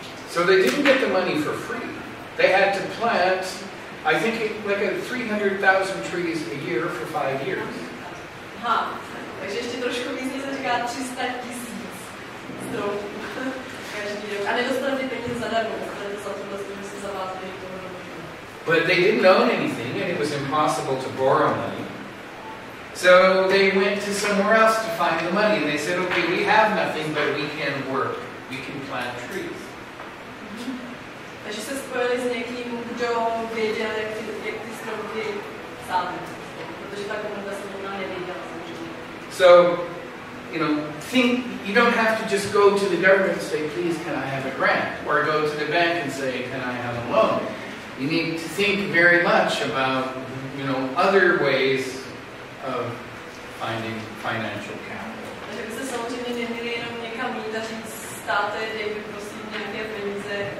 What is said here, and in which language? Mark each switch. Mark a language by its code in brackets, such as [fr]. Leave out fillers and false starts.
[en] So they didn't get the money for free. They had to plant I think it, like 300,000 trees a year for 5 years. [cs] Aha, takže ještě trošku víc, než se říká 300 tisíc stromů každý rok. A nedostanou ty peníze zadarmo, protože za to vlastně musí zavázat jejich toho roku. [en] But they didn't own anything and it was impossible to borrow money. So they went to somewhere else to find the money and they said, okay, we have nothing, but we can work. We can plant trees. [cs] Takže se spojili s někým, kdo věděl, jak ty stromky sázet. Protože ta komunita se možná nevěděla. [en] So, you know, think, you don't have to just go to the government and say, please, can I have a grant? Or go to the bank and say, can I have a loan? You need to think very much about, you know, other ways of finding financial capital. [cs] Takže by se samozřejmě neměli jenom někam jít a říct státe, dej mi prosím nějaké peníze,